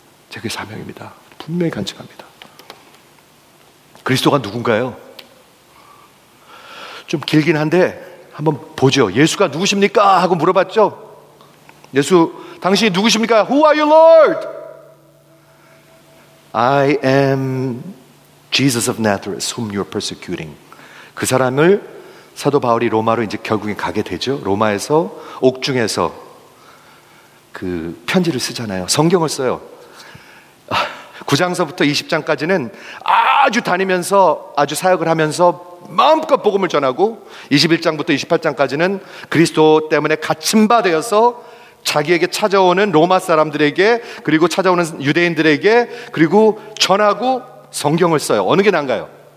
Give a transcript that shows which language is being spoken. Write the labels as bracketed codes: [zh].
[ko] 제게 사명입니다. 분명히 간증합니다. 그리스도가 누군가요? 좀 길긴 한데 한번 보죠. 예수가 누구십니까? 하고 물어봤죠. 예수 당신이 누구십니까? [en] Who are you, Lord? I am Jesus of Nazareth whom you are persecuting. [ko] 그 사람을 사도 바울이 로마로 이제 결국에 가게 되죠. 로마에서 옥중에서 그 편지를 쓰잖아요. 성경을 써요. 9장서부터 20장까지는 아주 다니면서 아주 사역을 하면서 마음껏 복음을 전하고 21장부터 28장까지는 그리스도 때문에 갇힌 바 되어서 자기에게 찾아오는 로마 사람들에게 그리고 찾아오는 유대인들에게 그리고 전하고 성경을 써요. 어느 게 나은가요?